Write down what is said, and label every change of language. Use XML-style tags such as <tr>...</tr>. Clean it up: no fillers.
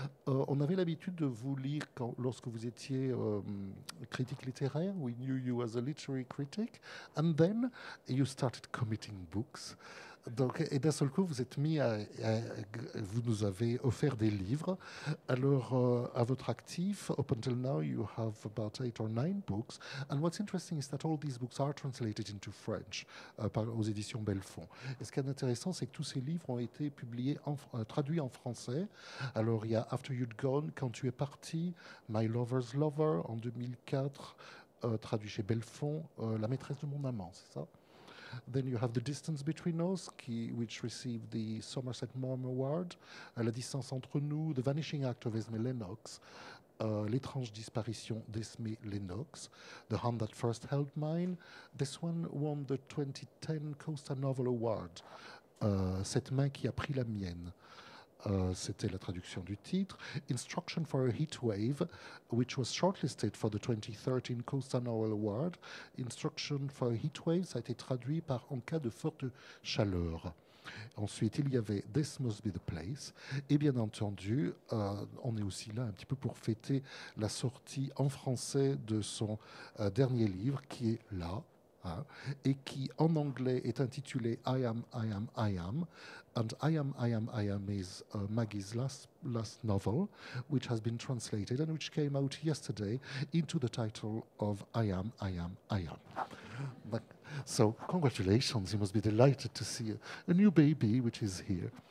<fr>On avait l'habitude de vous lire lorsque vous étiez critique littéraire.</fr> <en>We knew you as a literary critic. And then you started committing books.</en> <fr>Donc, et d'un seul coup, vous êtes mis vous nous avez offert des livres. Alors, à votre actif,</fr> <en>up until now, you have about 8 or 9 books. And what's interesting is that all these books are translated into French aux éditions Belfond.</en> <fr>Et ce qui est intéressant, c'est que tous ces livres ont été publiés traduits en français. Alors, il y a After You'd Gone, Quand tu es parti, My Lover's Lover, en 2004, traduit chez Belfond, La maîtresse de mon amant, c'est ça?</fr> <en>Then you have The Distance Between Us, which received the Somerset Maugham Award, La distance entre nous, The Vanishing Act of Esme Lennox, L'étrange disparition d'Esme Lennox, The Hand That First Held Mine. This one won the 2010 Costa Novel Award, Cette main qui a pris la mienne.</en> <fr>c'était la traduction du titre,</fr> <en>Instruction for a Heat Wave, which was shortlisted for the 2013 Costa Noel Award.</en> <fr>Instruction for a Heat Wave, ça a été traduit par En cas de forte chaleur. Ensuite, il y avait This Must Be the Place. Et bien entendu, on est aussi là un petit peu pour fêter la sortie en français de son dernier livre, qui est là, hein, et qui en anglais est intitulé I Am, I Am, I Am.</fr> <en>And I Am, I Am, I Am is Maggie's last novel, which has been translated and which came out yesterday into the title of I Am, I Am, I Am. But so, congratulations, you must be delighted to see a new baby which is here.</en>